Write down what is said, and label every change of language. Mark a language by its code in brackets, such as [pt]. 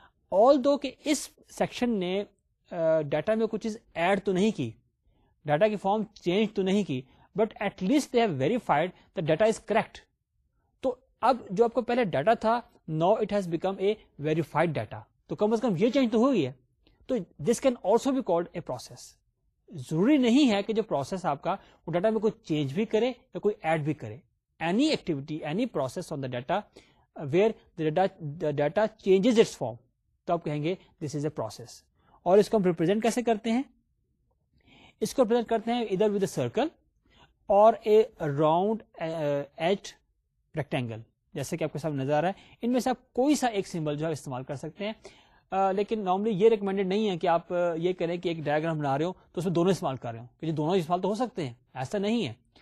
[ur] آل دو کہ اس سیکشن نے ڈیٹا میں کچھ چیز ایڈ تو نہیں کی, ڈیٹا کی فارم چینج تو نہیں کی, [en] But at least they have verified the data is correct. [ur] تو اب جو آپ کو پہلے ڈیٹا تھا, [en] Now it has become a verified data. [ur] تو کم از کم یہ چینج تو ہو گئی ہے. تو [en] This can also be called a process. [ur] ضروری نہیں ہے کہ جو پروسیس آپ کا وہ ڈیٹا میں کوئی چینج بھی کرے یا کوئی ایڈ بھی کرے. [en] any activity, any process on the data where data changes its form, [ur] تو آپ کہیں گے [en] This is a process. [ur] اور اس کو ہم ریپرزینٹ کیسے کرتے ہیں؟ اس کو ریپرزینٹ کرتے ہیں ادھر [en] with a circle اور a round edge rectangle, [ur] جیسے کہ آپ کے سامنے نظر آ رہا ہے. ان میں سے آپ کوئی سا ایک سمبل جو ہے استعمال کر سکتے ہیں, لیکن نارملی یہ ریکمینڈیڈ نہیں ہے کہ آپ یہ کریں کہ ایک ڈائگرام بنا رہے ہو تو اس میں دونوں استعمال کر رہے ہوں, کیونکہ دونوں استعمال تو ہو سکتے ہیں, ایسا نہیں ہے.